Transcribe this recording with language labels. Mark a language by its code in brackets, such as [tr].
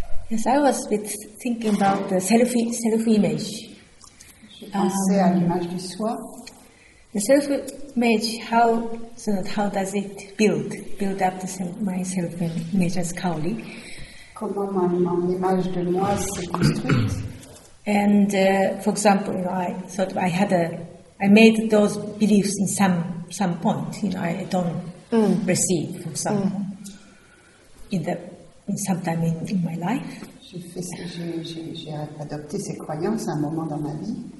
[en] Yes, I was a bit thinking about the self-image. [fr] L'image du soi. [en] The self-image, how does it build up my self-image as Kaoli? [fr] Comment mon image de moi se construit? [en] And for example, you know, I thought I made those beliefs in some point. You know, I don't receive, for example, sometime in my life. [fr] J'ai adopté ces croyances à un moment dans ma vie.